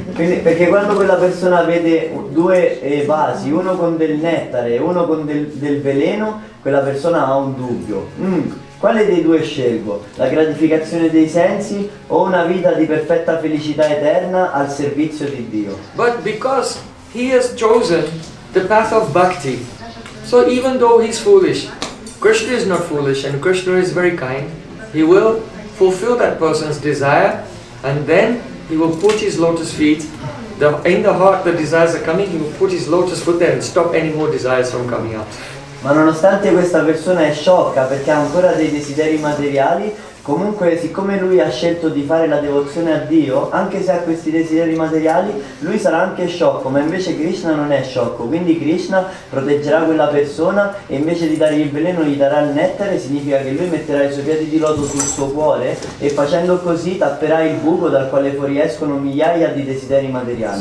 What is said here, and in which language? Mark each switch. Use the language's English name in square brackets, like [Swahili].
[Italian] Quindi, perché quando quella persona vede due vasi, uno con del nettare e uno con del veleno, quella persona ha un dubbio. Quale dei due scelgo? La gratificazione dei sensi o una vita di perfetta felicità eterna al servizio di Dio? [English] But because he has chosen the path of bhakti, so even though he's foolish, Krishna is not foolish and Krishna is very kind. He will fulfill that person's desire and then he will put his lotus feet in the heart. The desires are coming, he will put his lotus foot there and stop any more desires from coming out. [Italian] Ma nonostante questa persona è sciocca perché ha ancora dei desideri materiali, comunque siccome lui ha scelto di fare la devozione a Dio, anche se ha questi desideri materiali, lui sarà anche sciocco, ma invece Krishna non è sciocco, quindi Krishna proteggerà quella persona e invece di dargli il veleno gli darà il nettare, significa che lui metterà i suoi piedi di loto sul suo cuore e facendo così tapperà il buco dal quale fuoriescono migliaia di desideri materiali.